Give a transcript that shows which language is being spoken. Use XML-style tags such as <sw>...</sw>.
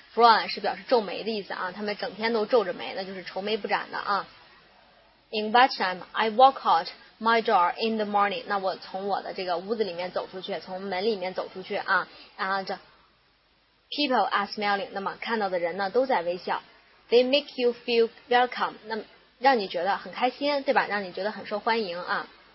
<zh>Frown 是表示皱眉的意思啊，他们整天都皱着眉，那就是愁眉不展的啊。</zh> <en>In bedtime, I walk out my door in the morning.</en> <zh>那我从我的这个屋子里面走出去，从门里面走出去啊。</zh> <en>And people are smiling.</en> <zh>那么看到的人呢都在微笑。</zh> <en>They make you feel welcome.</en> <zh>那让你觉得很开心，对吧？让你觉得很受欢迎啊。</zh>